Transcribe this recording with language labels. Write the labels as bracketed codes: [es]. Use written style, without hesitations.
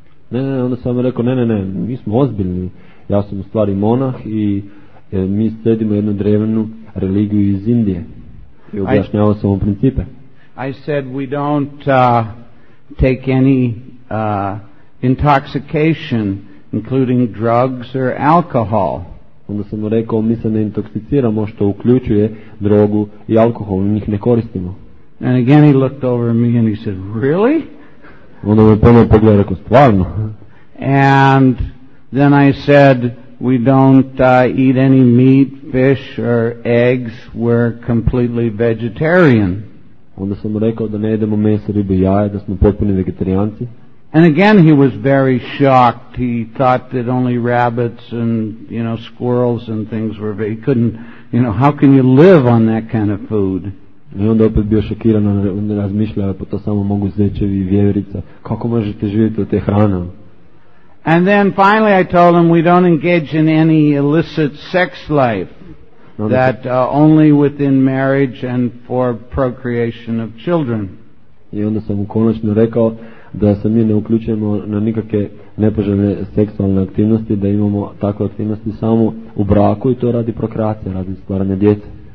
[hr] Ne, ne, onda sam rekao, ne, mi smo ozbiljni, ja sam u stvari monah i mi sledimo jednu drevenu religiju iz Indije i objašnjavao sam ovo principe. [en] I said, we don't take any intoxication, including drugs or alcohol. [hr] onda sam mu rekao mi se ne intoksiciramo, što uključuje drogu i alkohol, njih ne koristimo. [en] And again he looked over at me and he said, really? [hr] Onda me ponovno pogleda, rekao, stvarno? [en] And then I said, we don't eat any meat, fish or eggs, we're completely vegetarian. [hr] Onda sam mu rekao da ne jedemo meso, ribe, jaje, da smo potpuni vegetarijanci. [en] And again he was very shocked. He thought that only rabbits and, you know, squirrels and things were, he couldn't, you know, how can you live on that kind of food? [hr] I onda opet bio šokiran, on razmišljao, pa to samo mogu zečevi i vjeverica. Kako možete živjeti od te hrane? [en] And then finally I told him we don't engage in any illicit sex life, that only within marriage and for procreation of children. [hr] I onda sam mu konačno rekao da se mi ne uključujemo na nikakve nepoželjne seksualne aktivnosti, da imamo takve aktivnosti samo u braku i to radi prokreacije, radi stvaranja djece.